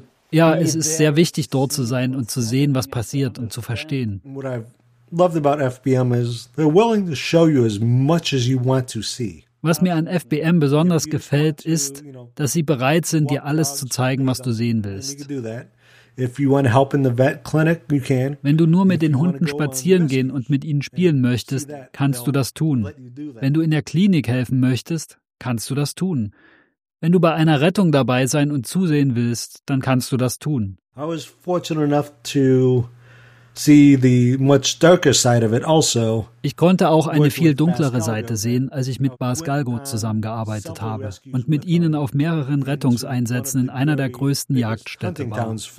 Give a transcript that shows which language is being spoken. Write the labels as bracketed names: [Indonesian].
[German] Ja, es ist sehr wichtig, dort zu sein und zu sehen, was passiert und zu verstehen. [English] Loved about FBM is they're willing to show you as much as you want to see. [German] Was mir an FBM besonders gefällt, ist, dass sie bereit sind, dir alles zu zeigen, was du sehen willst. [English] If you want to help in the vet clinic, you can. [German] Wenn du nur mit den Hunden spazieren gehen und mit ihnen spielen möchtest, kannst du das tun. Wenn du in der Klinik helfen möchtest, kannst du das tun. Wenn du bei einer Rettung dabei sein und zusehen willst, dann kannst du das tun. [English] I was fortunate enough to see the much darker side of it also. [German] Ich konnte auch eine viel dunklere Seite sehen, als ich mit Bas Galgo zusammengearbeitet habe und mit ihnen auf mehreren Rettungseinsätzen in einer der größten Jagdstädte war.